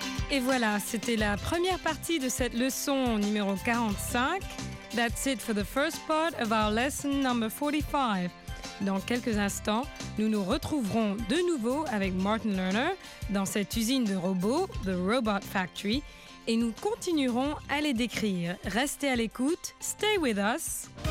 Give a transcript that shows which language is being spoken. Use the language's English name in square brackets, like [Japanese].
[French] Et voilà, c'était la première partie de cette leçon numéro 45. [English] That's it for the first part of our lesson number 45. [French] Dans quelques instants, nous nous retrouverons de nouveau avec Martin Lerner dans cette usine de robots, The Robot Factory, et nous continuerons à les décrire. Restez à l'écoute. [English] Stay with us.